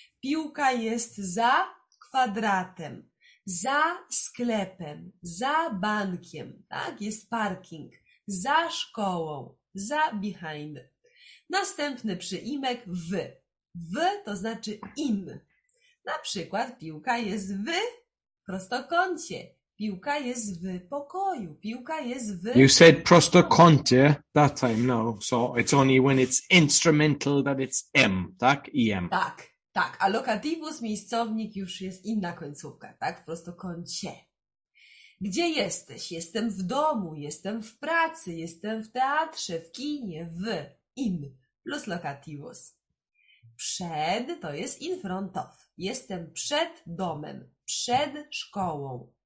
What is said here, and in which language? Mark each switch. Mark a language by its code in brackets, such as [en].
[pl] Piłka jest za kwadratem, za sklepem, za bankiem, tak? Jest parking, za szkołą, za behind. Następny przyimek w. W to znaczy in. Na przykład piłka jest w prostokącie. Piłka jest w pokoju. Piłka jest w... [en] You said prostokącie that time, no. So it's only when it's instrumental that it's M, tak? I-M. [pl] Tak, tak. A locativus, miejscownik, już jest inna końcówka, tak? Prostokącie. Gdzie jesteś? Jestem w domu, jestem w pracy, jestem w teatrze, w kinie, w, in, plus locativus. Przed to jest [en] in front of. [pl] Jestem przed domem, przed szkołą.